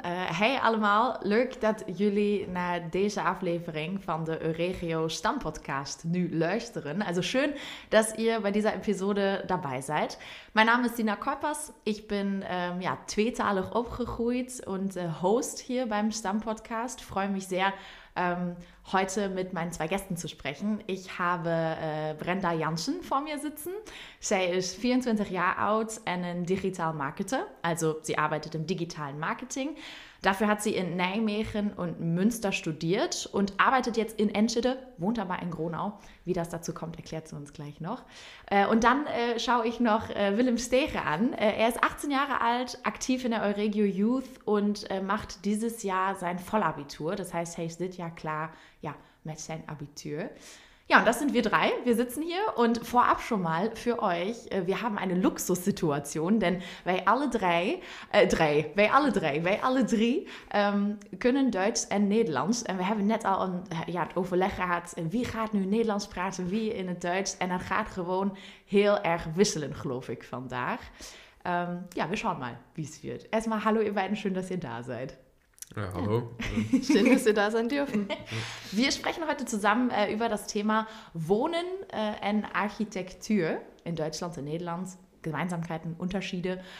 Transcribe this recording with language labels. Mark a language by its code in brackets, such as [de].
[nl] Hey allemaal, leuk dat jullie naar deze aflevering van de Euregio Stam-podcast nu luisteren. [de] Also schön, dass ihr bei dieser Episode dabei seid. Mein Name ist Dina Koppers, ich bin tweetalig aufgegroeid und Host hier beim Stam-podcast. Freue mich sehr, heute mit meinen zwei Gästen zu sprechen. Ich habe Brenda Janssen vor mir sitzen. Sie ist 24 Jahre alt und ein Digital Marketer. Also sie arbeitet im digitalen Marketing. Dafür hat sie in Nijmegen und Münster studiert und arbeitet jetzt in Enschede, wohnt aber in Gronau. Wie das dazu kommt, erklärt sie uns gleich noch. Und dann schaue ich noch Willem Stege an. Er ist 18 Jahre alt, aktiv in der Euregio Youth und macht dieses Jahr sein Vollabitur. Das heißt, hey, sieht ja klar, ja, mit seinem Abitur. Ja, und das sind wir drei. Wir sitzen hier und vorab schon mal für euch, wir haben eine Luxussituation, denn wir alle drei können Deutsch und Nederlands. Und wir haben [nl] net al een, ja, het overleg gehad, wie gaat nu Nederlands praten, wie in het Deutsch. En dat gaat gewoon heel erg wisselen, geloof ik, vandaag. [de] Ja, wir schauen mal, wie es wird. Erstmal hallo ihr beiden, schön, dass ihr da seid. Ja, hallo. Ja. Schön, dass wir da sein dürfen. Wir sprechen heute zusammen über das Thema Wohnen und Architektur in Deutschland und Nederland, Gemeinsamkeiten, Unterschiede.